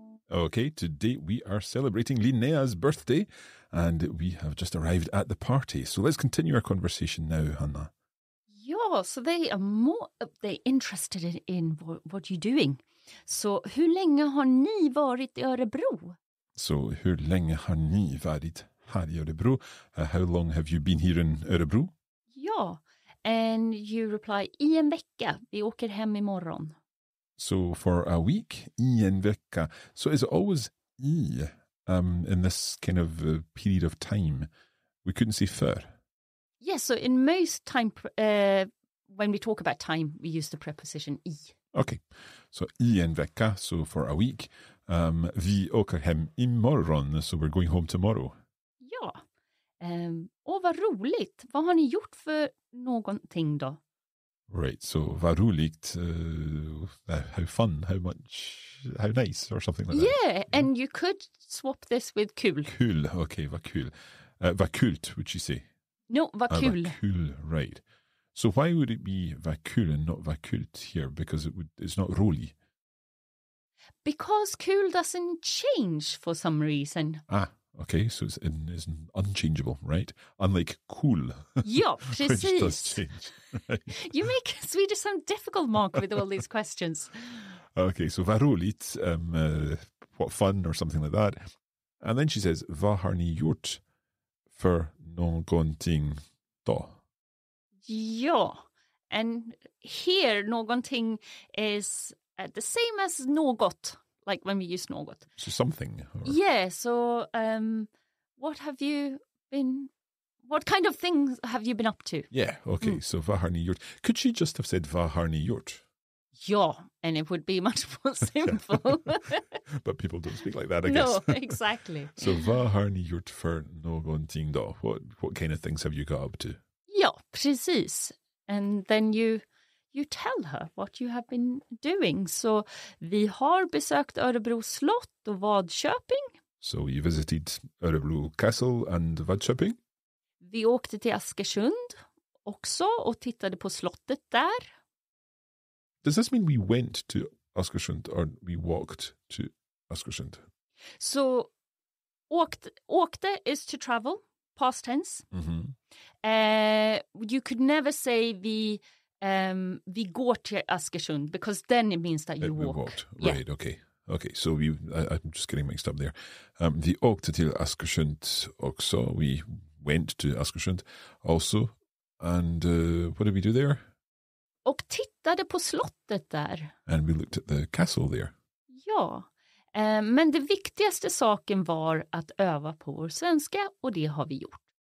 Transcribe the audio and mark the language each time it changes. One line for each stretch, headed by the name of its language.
English: Okay, today we are celebrating Linnea's birthday and we have just arrived at the party. So let's continue our conversation now, Hannah. Yeah, so they're interested in what you're doing.
Swedish: So, hur länge har ni varit i Örebro? So, hur länge har ni varit här i Örebro?
English: How long have you been here in Örebro? Yeah, and you reply,
Swedish: i en vecka, vi åker hem imorgon.
English: So for a week,
Swedish: I en vecka.
English: So is it always I in this kind of period of time? We couldn't say för. Yes, yeah, so in most time, when we talk about time, we use the preposition I. Okay, so
Swedish: I en vecka,
English: so for a week.
Swedish: Vi åker hem imorgon,
English: so we're going home tomorrow.
Swedish: Ja, och vad roligt. Vad har ni gjort för någonting då?
English: Right, so
Swedish: vad roligt,
English: how fun, how much, how nice, or something like yeah, that. Yeah, and you could swap this with kul.
Swedish: Kul,
English: okay,
Swedish: vad kul. Vad kult,
English: would you say?
Swedish: No, vad kul. Vad kul, right.
English: So why would it be
Swedish: vad kul
English: and not
Swedish: vad kult
English: here? Because it would, it's not rolig. Because kul doesn't change for some reason. Ah, okay, so it's in, is unchangeable, right? Unlike cool.
Swedish: Ja, precis.
English: Which does change. You make Swedish sound difficult, Mark, with all these questions. Okay, so
Swedish: vad roligt,
English: what fun or something like that. And then she says,
Swedish: vad har ni gjort för någonting då?
English: Ja, and here någonting is the same as något, like when we use något. So something. Or... Yeah, so what have you been, what kind of things have you been up to? Yeah, okay, so
Swedish: vad har ni gjort?
English: Could she just have said
Swedish: vad har ni gjort?
English: Ja, and it would be much more simple. But people don't speak like that, I guess. No, exactly.
Swedish: So vad har ni gjort för någonting då?
English: What kind of things have you got up to?
Swedish: Ja, precis.
English: And then you tell her what you have been doing.
Swedish: So vi har besökt Örebro slott och Vadköping.
English: So you visited Örebro castle and Vadköping.
Swedish: Vi åkte till Askersund också och tittade på slottet där.
English: Does this mean we went to Askersund or we walked to Askersund? So åkte is to travel. Past tense. Mm-hmm. You could never say
Swedish: vi går till Askersund
English: because then it means that you walk. Walked. Yeah. Right, okay. Okay, so I'm just getting mixed up there.
Swedish: Vi åkte till Askersund också.
English: We went to Askersund also. And what did we do there?
Swedish: Och tittade på slottet där.
English: And we looked at the castle there.
Swedish: Ja. Men det viktigaste saken var att öva på vår svenska och det har vi gjort.